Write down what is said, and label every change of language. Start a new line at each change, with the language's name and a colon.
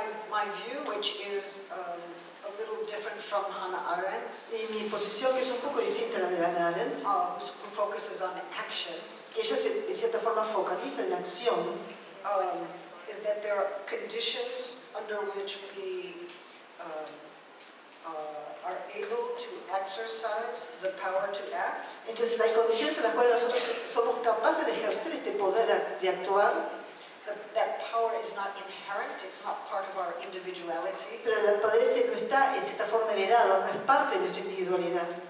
English: My view, which is a little different from Hannah Arendt.
Spanish: Y mi posición es un poco distinta a la de Hannah Arendt.
English: Who focuses on action.
Spanish: Ella se, en cierta forma focaliza en la acción.
English: Is that there are conditions under which we are able to exercise the power to act.
Spanish: Entonces hay condiciones en las cuales nosotros somos capaces de ejercer este poder de actuar.
English: That power is not inherent, it's not part of our individuality.
Spanish: Pero el poder este no está en cierta forma heredado, no es parte de nuestra individualidad.